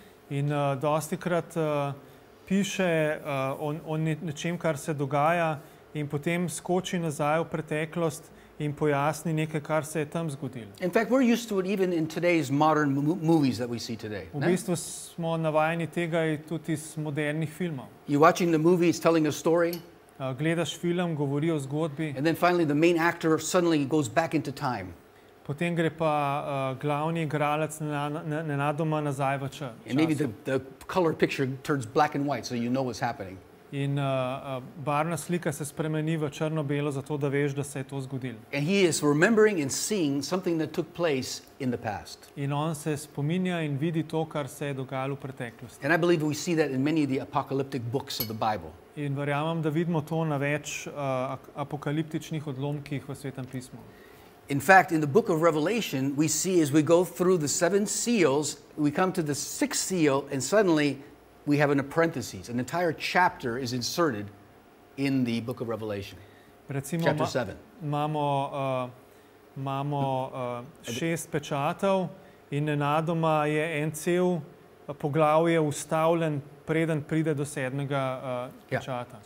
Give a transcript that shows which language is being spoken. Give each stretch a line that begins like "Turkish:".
Slovenian: In dostikrat piše o nečem, kar se dogaja, in potem skoči nazaj v preteklost in pojasni nekaj, kar se je tam zgodilo.
English: In fact, we're used to it even in today's modern movies that we see today.
Slovenian: V bistvu smo navajeni tega tudi iz modernih filmov.
English: You're watching the movie, it's telling a story.
Slovenian: Gledaš film, govori o zgodbi.
English: And then finally the main actor suddenly goes back into time.
Slovenian: Potem gre pa glavni igralec nenadoma nazaj v čas.
English: And maybe the color picture turns black and white, so you know what's happening.
Slovenian: In barvna slika se spremeni v črno-belo, zato da veš, da se je to zgodilo.
English: And he is remembering and seeing something that took place in the past.
Slovenian: In on se spominja in vidi to, kar se je dogajalo v preteklosti.
English: And I believe we see that in many of the apocalyptic books of the Bible.
Slovenian: In verjamem, da vidimo to na več apokaliptičnih odlomkih v Svetem pismu.
English: In fact, in the book of Revelation, we see as we go through the seven seals, we come to the sixth seal and suddenly we have an parenthesis. An entire chapter is inserted in the book of Revelation.
Slovenian: Recimo, chapter 7. Imamo šest pečatov in nenadoma je en cel poglavje ustavljen preden pride do sedmega pečata.